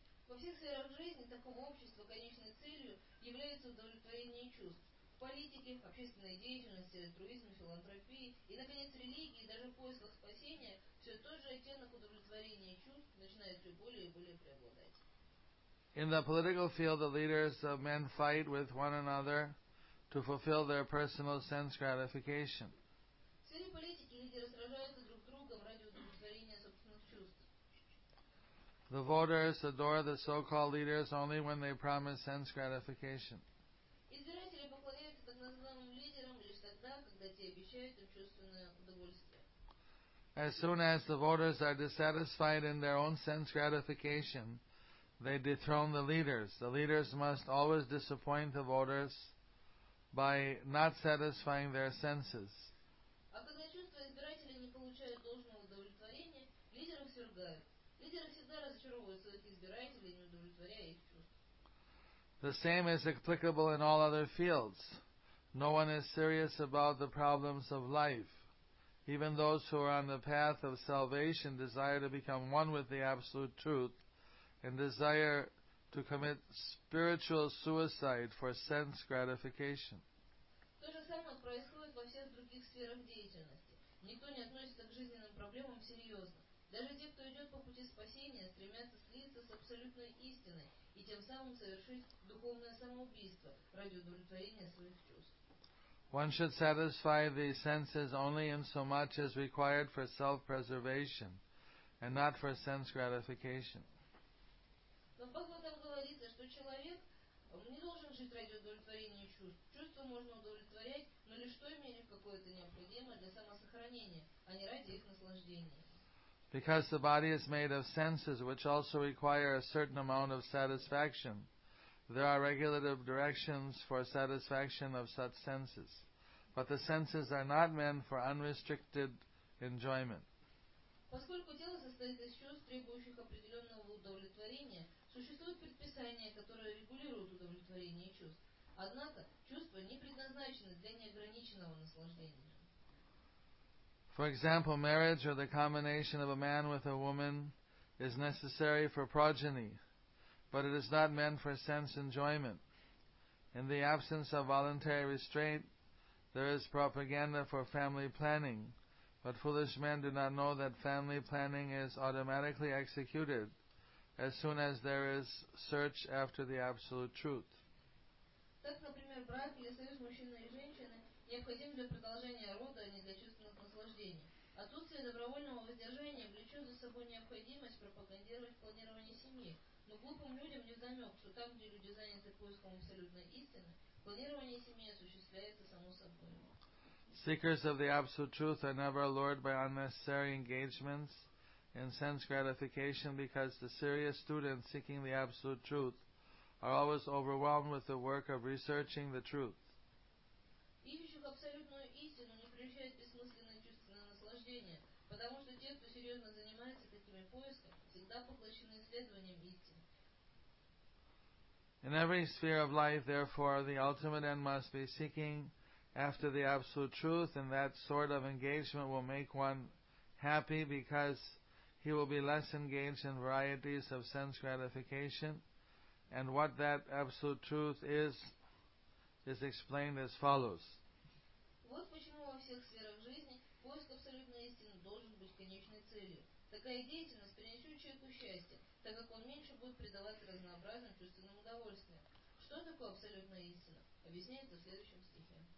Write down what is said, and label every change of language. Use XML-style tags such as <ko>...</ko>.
<ru>Во всех сферах жизни такому обществу конечной целью является удовлетворение чувств. В политике, общественной деятельности, альтруизме, филантропии и, наконец, религии, даже в поисках спасения, все тот же оттенок удовлетворения чувств начинает все более и более преобладать.</ru> <en>In the political field, the leaders of men fight with one another to fulfill their personal sense gratification.</en> <ru>В сфере политики лидеры сражаются друг с другом ради удовлетворения собственных чувств.</ru> <en>The voters adore the so-called leaders only when they promise sense gratification.</en> <ru>Избиратели поклоняются так называемым лидерам лишь тогда, когда те обещают им чувственное удовольствие.</ru> <en>As soon as the voters are dissatisfied in their own sense gratification, they dethrone the leaders. The leaders must always disappoint the voters by not satisfying their senses.</en> <ru>А когда чувства избирателей не получают должного удовлетворения, лидеров свергают. Лидеры всегда разочаровывают своих избирателей, не удовлетворяя их чувств.</ru> <en>The same is applicable in all other fields. No one is serious about the problems of life. Even those who are on the path of salvation desire to become one with the absolute truth and desire to commit spiritual suicide for sense gratification.</en> <ru>То же самое происходит во всех других сферах деятельности. Никто не относится к жизненным проблемам серьезно. Даже те, кто идет по пути спасения, стремятся слиться с абсолютной истиной и тем самым совершить духовное самоубийство ради удовлетворения своих чувств.</ru> <en>One should satisfy the senses only in so much as required for self-preservation and not for sense gratification.</en> <ru>Но в Бхагаватам говорится, что человек не должен жить ради удовлетворения чувств. Чувства можно удовлетворять, но лишь в той мере, в какой это необходимо для самосохранения, а не ради их наслаждения.</ru> <en>Because the body is made of senses which also require a certain amount of satisfaction, there are regulative directions for satisfaction of such senses. But the senses are not meant for unrestricted enjoyment.</en> <ru>Поскольку тело состоит из чувств, требующих определенного удовлетворения, существуют предписания, которые регулируют удовлетворение чувств. Однако чувства не предназначены для неограниченного наслаждения.</ru> <en>For example, marriage or the combination of a man with a woman is necessary for progeny, but it is not meant for sense enjoyment. In the absence of voluntary restraint, there is propaganda for family planning, but foolish men do not know that family planning is automatically executed as soon as there is search after the absolute truth.</en> <ru>Так, например, брак или союз мужчины и женщины необходим для продолжения рода, а не для чувственных наслаждений. Отсутствие добровольного воздержания влечет за собой необходимость пропагандировать планирование семьи. Но глупым людям не вдомек, что там, где люди заняты поиском абсолютной истины, планирование семьи осуществляется само собой.</ru> <en>Seekers of the absolute truth are never lured by unnecessary engagements in sense gratification, because the serious students seeking the absolute truth are always overwhelmed with the work of researching the truth.</en> <ru>Ищущих абсолютную истину не приучает бессмысленное чувственное наслаждение, потому что те, кто серьезно занимается такими поисками, всегда поглощены исследованием истины.</ru> <en>In every sphere of life, therefore, the ultimate end must be seeking after the absolute truth, and that sort of engagement will make one happy because he will be less engaged in varieties of sense gratification. And what that absolute truth is explained as follows.</en> <ru>Вот почему во всех сферах жизни поиск абсолютной истины должен быть конечной целью. Такая деятельность принесет человеку счастье, так как он меньше будет предаваться разнообразным чувственным удовольствиям. Что такое абсолютная истина? Объясняется в следующем стихе.</ru>